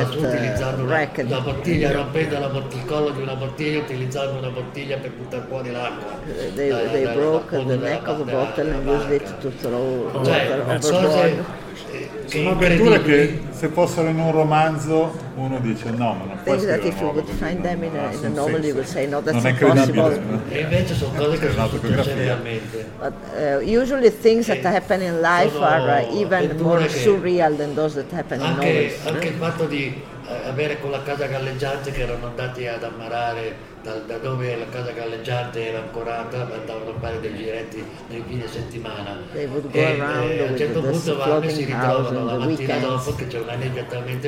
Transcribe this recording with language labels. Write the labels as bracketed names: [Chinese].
[English] floating house, [Italian] bottiglia, rompendo la bottiglia, il collo di una bottiglia, utilizzando una bottiglia per buttare fuori l'acqua. [English] They broke the neck of a bottle and used it to throw water overboard. [Italian] Sono avventure che, se fossero in un romanzo, uno dice no, ma non puoi scrivere una novel. [English] Find them in a novel, you would say no, that's [Italian] non è [English] impossible. [Italian] E invece sono cose che sono successe realmente. [English] But usually things that happen in life are even more surreal than those that happen in novels. [Italian] Anche il fatto di avere con la casa galleggiante, che erano andati ad ammarare da dove la casa galleggiante era ancorata, andavano a fare dei giretti nei fine settimana, e a un certo punto vanno e si ritrovano la mattina dopo che c'è una nebbia talmente